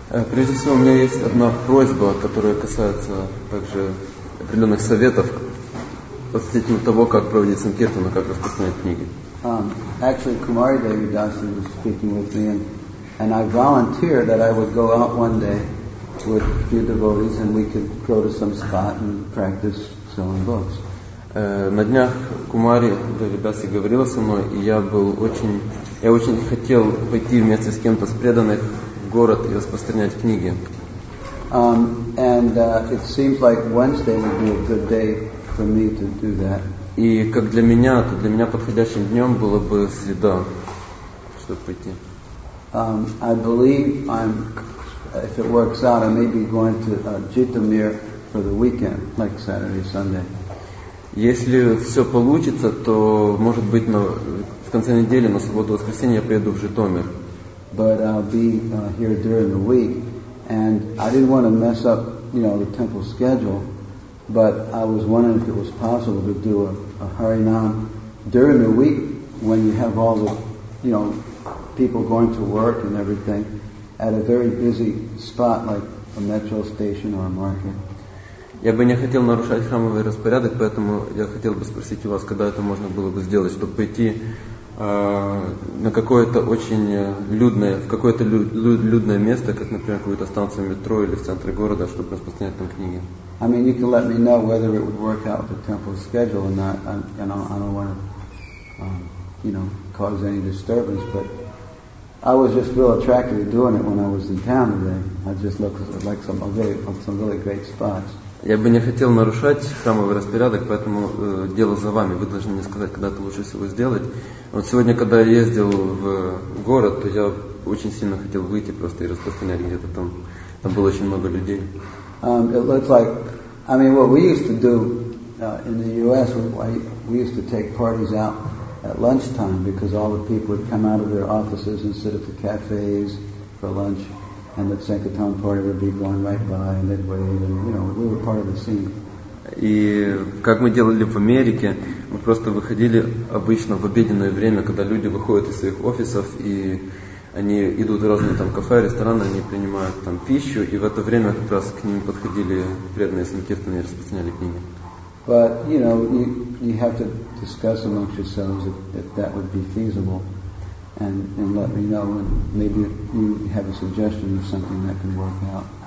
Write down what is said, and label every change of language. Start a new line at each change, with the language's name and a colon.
Russian: Прежде всего, у меня есть одна просьба, которая касается также определенных советов относительно того, как проводить Санкиртан, как распространять книги.
English: Actually, Kumari Devi Dasi was speaking with me, and I volunteered that I would go out one day with a few devotees, and we could go to some spot and practice selling books.
Russian: На днях Кумари Давидаси говорила со мной, и я очень хотел пойти вместе с кем-то с преданных город и распространять книги.
English: It seems like Wednesday would be a good day for me to do that.
Russian: И как для меня, то для меня подходящим днем было бы среда, чтобы пойти.
English: I believe I'm, if it works out, I may be going to Jitomir for the weekend, like Saturday, Sunday.
Russian: Если все получится, то, может быть, в конце недели, на субботу, воскресенье, я поеду в Житомир.
English: But I'll be here during the week, and I didn't want to mess up, you know, the temple schedule, but I was wondering if it was possible to do a Harinam during the week, when you have all the, you know, people going to work and everything, at a very busy spot, like a metro station or a market.
Russian: Я бы не хотел нарушать храмовый распорядок, поэтому я хотел бы спросить у вас, когда это можно было бы сделать, чтобы пойти на какое-то очень людное, в какое-то людное место, как, например, какую-то станцию метро или в центре города, чтобы распространять там книги.
English: I mean, you can let me know whether it would work out with the temple schedule or not, and I don't want to, you know, cause any disturbance, but I was just real attracted to doing it when I was in town today. I just looked at like some really great spots.
Russian: Я бы не хотел нарушать храмовый распорядок, поэтому дело за вами. Вы должны мне сказать, когда это лучше всего сделать. Вот сегодня, когда я ездил в город, то я очень сильно хотел выйти просто и распространять где-то там. Там было очень много людей.
English: It looks like, I mean, what we used to do in the U.S., we used to take parties out at lunchtime because all the people would come out of their offices and sit at the cafes for lunch. And the Sankirtan party would be going right by, and they'd wait, and you know, we were part of the scene.
Russian: И как мы делали в Америке, мы просто выходили обычно в обеденное время, когда люди выходят из своих офисов и они идут в разные там кафе, рестораны, они принимают там пищу, и в это время как раз к ним подходили преданные Санкиртаны и распространяли книги.
English: But you know, you have to discuss amongst yourselves if that would be feasible. And let me know, and maybe you have a suggestion of something that can work out.